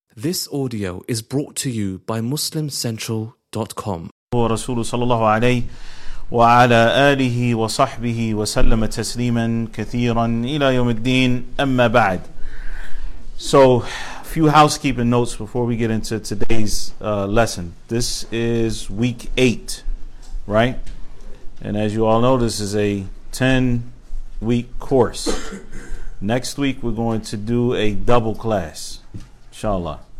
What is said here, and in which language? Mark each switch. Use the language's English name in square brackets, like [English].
[English] This audio is brought to you by MuslimCentral.com. [Arabic] هو رسول صلى الله عليه وعلى آله وصحبه وسلم تسليما كثيرا إلى يوم الدين أما بعد. [English] So, few housekeeping notes before we get into today's lesson. This is week 8, right? And as you all know, this is a 10-week course. Next week, we're going to do a double class, inshallah.